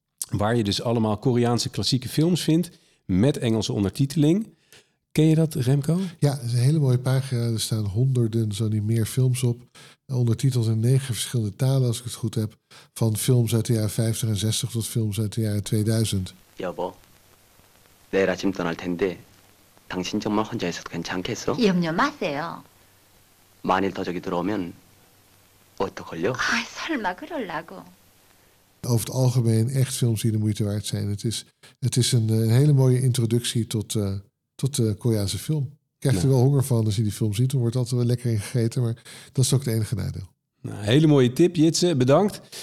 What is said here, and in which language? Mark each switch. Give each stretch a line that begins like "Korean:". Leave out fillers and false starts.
Dutch: Waar je dus allemaal Koreaanse klassieke films vindt met Engelse ondertiteling. Ken je dat, Remco? Ja, het is een hele mooie pagina. Er staan honderden, zo niet meer, films op. Ondertiteld in 9 verschillende talen, als ik het goed heb. Van films uit de jaren 50 en 60 tot films uit de jaren 2000.
Korean: Jobo, 내일 아침 떠날 텐데, 당신 정말 혼자 있어도 괜찮겠어? 염려 마세요. 만일 더 저기 들어오면, 어떡할려? 설마 그럴라고.
Dutch: over het algemeen echt films die de moeite waard zijn. Het is een hele mooie introductie tot de Koreaanse film. Krijgt er wel honger van als je die film ziet. Dan wordt altijd wel lekker in gegeten, maar dat is ook het enige nadeel. Nou, hele mooie tip, Jitse. Bedankt.